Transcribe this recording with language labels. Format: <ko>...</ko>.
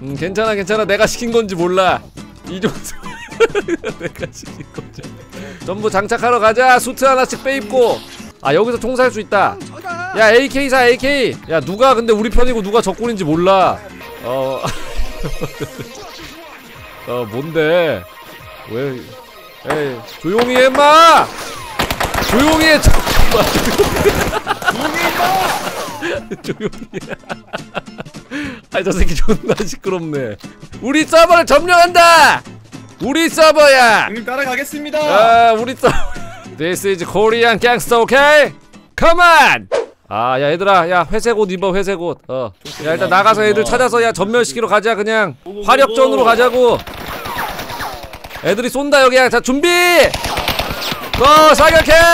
<ko>괜찮아 내가 시킨 건지 몰라 이종수 내가 시킨 건지 전부 장착하러 가자 수트 하나씩 빼입고 아 여기서 총 살 수 있다 야 AK사 AK 야 누가 근데 우리 편이고 누가 적군인지 몰라 어 뭔데 왜 에이 조용히 해 인마 조용히 해 조용히 인마 조용히 해 아 저 새끼 존나 시끄럽네 우리 서버를 점령한다! 우리 서버야! 형님 따라가겠습니다! 아 우리 서버</ko> <en>This is Korean gangster, okay? Come on!</en> <ko>아 야 얘들아 야 회색 옷 입어 회색 옷 어 야 일단 나가서 애들 찾아서 야 전멸시키러 가자 그냥 화력전으로 가자고 애들이 쏜다 여기야 자 준비! 너 사격해!</ko>